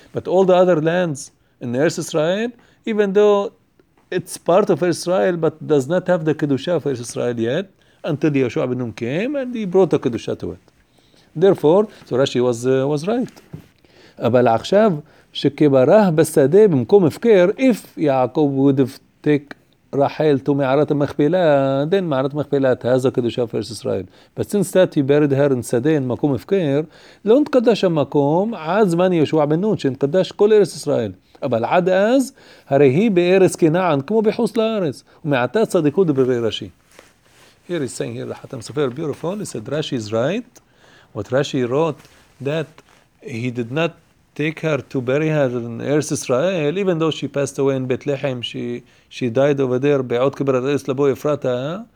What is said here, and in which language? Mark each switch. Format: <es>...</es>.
<en>But all the other lands in Eretz Israel, even though it's part of Israel, but does not have the Kedusha of Israel yet, until Yeshua ben Nun came and he brought the Kedusha to it. Therefore, so Rashi was right.</en> <he>אבל עכשיו, שכברה בשדה במקום הפקר,</he> <en>if Yaakov would have taken Rachel to מערת המכפלה, then מערת המכפלה has the Kedusha of Israel. But since that he buried her in</en> <he>שדה, in מקום הפקר, לא נתקדש המקום עד זמן Yeshua ben Nun, שנתקדש כל ארץ ישראל. אבל עד אז, הרי היא בארץ כנען, כמו בחוס לארץ. ומעטה צדיקו דברי רשי.</he> <en>Here he's saying here, לחתם סופר, beautiful, he said, Rashi is right. What Rashi wrote, that he did not take her to bury her in Eretz Israel, even though she passed away in בית לחם, she died over there,</en> <he>בעוד קברת ארץ לבו אפרתה.</he>